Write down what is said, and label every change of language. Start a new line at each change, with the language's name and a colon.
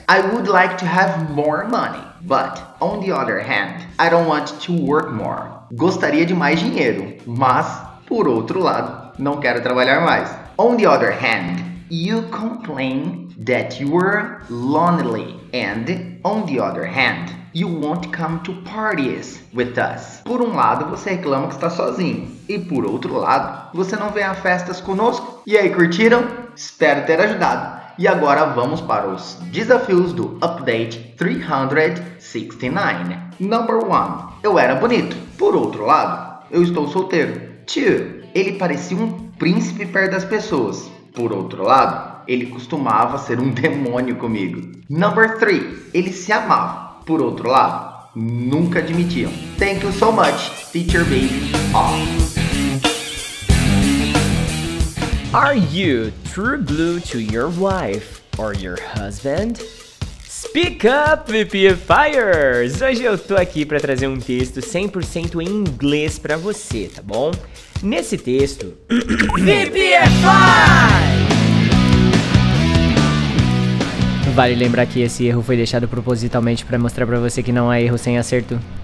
English: I would like to have more money, but on the other hand, I don't want to work more.
Portuguese: Gostaria de mais dinheiro, mas, por outro lado, não quero trabalhar mais.
English: On the other hand, you complain that you were lonely and, on the other hand, you won't come to parties with us.
Portuguese: Por um lado, você reclama que está sozinho e, por outro lado, você não vem a festas conosco. E aí, curtiram? Espero ter ajudado. E agora vamos para os desafios do Update 369.
English: Number 1.
Portuguese: Eu era bonito. Por outro lado, eu estou solteiro. 2. Ele parecia um príncipe perto das pessoas. Por outro lado, ele costumava ser um demônio comigo.
English: Number 3.
Portuguese: Ele se amava. Por outro lado, nunca admitiam.
English: Thank you so much, Teacher Baby. Off. Are you true blue to your wife or your husband? Speak up, VPFires!
Portuguese: Hoje eu tô aqui pra trazer um texto 100% em inglês pra você, tá bom? Nesse texto...
English: VPFires!
Portuguese: Vale lembrar que esse erro foi deixado propositalmente pra mostrar pra você que não há erro sem acerto.